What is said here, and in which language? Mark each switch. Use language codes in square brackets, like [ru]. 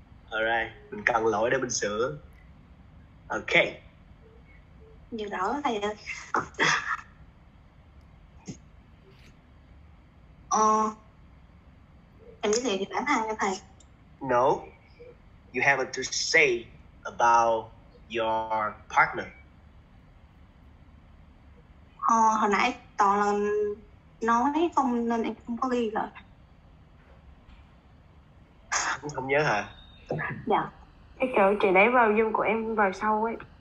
[vi] Alright, mình cần lỗi để mình sửa. [en] Okay. [vi] Như đó thầy ơi. Em giới thiệu về bản thân cho thầy. [en] No, you have to say about your partner. [vi] Hồi nãy toàn là nói không nên em không có ghi rồi. Không nhớ hả? Dạ. Cái chữ chị đẩy vào dung của em vào sâu ấy.